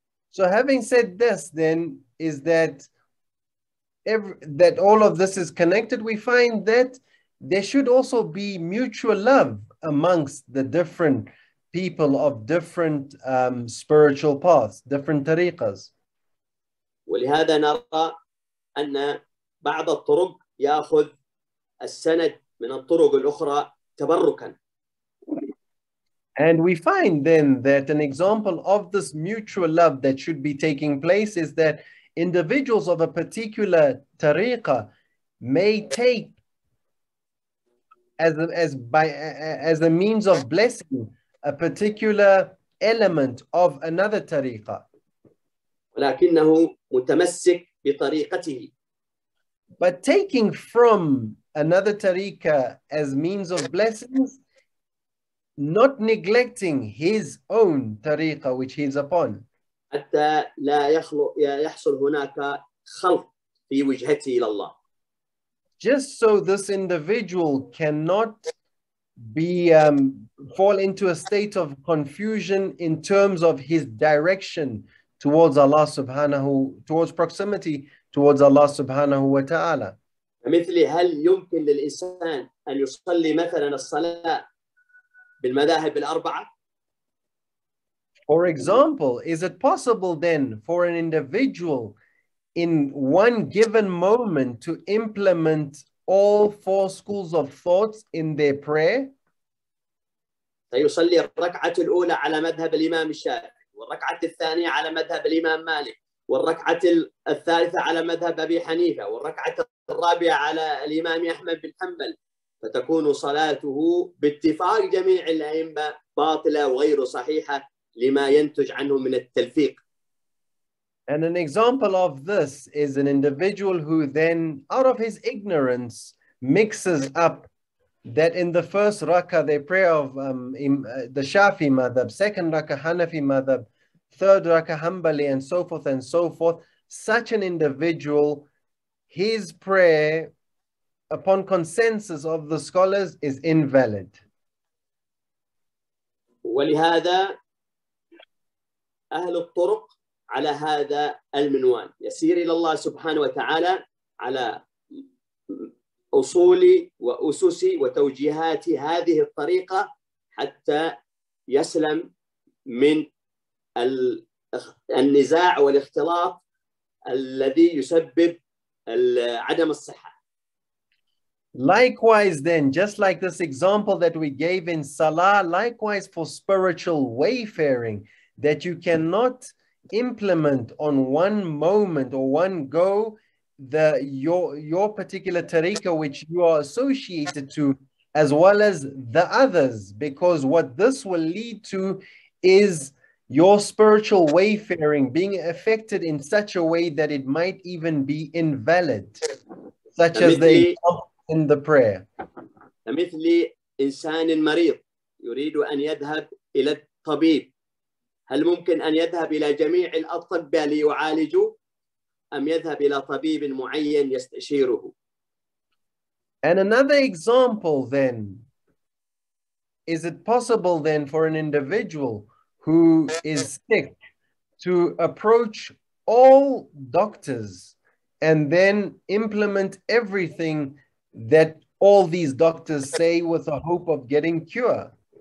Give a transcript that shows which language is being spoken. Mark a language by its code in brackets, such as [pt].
[en] So having said this then is that that all of this is connected, we find that there should also be mutual love amongst the different people of different spiritual paths, different tariqas. [ar] ولهذا نرى أن بعض الطرق يأخذ السند من الطرق الأخرى تبركا. [en] And we find then that an example of this mutual love that should be taking place is that individuals of a particular tariqah may take as a means of blessing a particular element of another tariqah. [ar] ولكنه متمسك بطريقته. [en] But taking from another tariqah as means of blessings, not neglecting his own tariqah which he's upon. [ar] حتى لا يحصل هناك خلط في وجهته إلى الله. [en] Just so this individual cannot be fall into a state of confusion in terms of his direction towards Allah subhanahu, towards proximity towards Allah subhanahu wa ta'ala. [ar] مثل هل يمكن للإنسان أن يصلي مثلا الصلاة بالمذاهب الأربعة؟ [en] For example, is it possible then for an individual in one given moment to implement all four schools of thoughts in their prayer? [ar] سيصلي الركعة الأولى على مذهب الإمام الشافعي والركعة الثانية على مذهب الإمام مالك والركعة الثالثة على مذهب أبي حنيفة والركعة الرابعة على الإمام أحمد بن حنبل فتكون صلاته باتفاق جميع الأئمة باطلة وغير صحيحة لما ينتج عنه من التلفيق. [en] And an example of this is an individual who then, out of his ignorance, mixes up that in the first rakah, the prayer of the Shafi madhab, second rakah, Hanafi madhab, third rakah, Hanbali, and so forth and so forth. Such an individual, his prayer, upon consensus of the scholars, is invalid. [ar] ولهذا أهل الطرق على هذا المنوال يسير إلى الله سبحانه وتعالى على أصول وأسس وتوجيهات هذه الطريقة حتى يسلم من النزاع والاختلاط الذي يسبب عدم الصحة. [en] Likewise then, just like this example that we gave in Salah, likewise for spiritual wayfaring, that you cannot implement on one moment or one go the your particular tariqah which you are associated to as well as the others, because what this will lead to is your spiritual wayfaring being affected in such a way that it might even be invalid, such as they in the prayer. [ar] مثلي إنسان مريض يريد أن يذهب إلى الطبيب. هل ممكن أن يذهب إلى جميع الأطباء ليعالجوا أم يذهب إلى طبيب معين يستشيره؟ [en] And another example then, is it possible then for an individual who is sick to approach all doctors and then implement everything that all these doctors say with the hope of getting cure?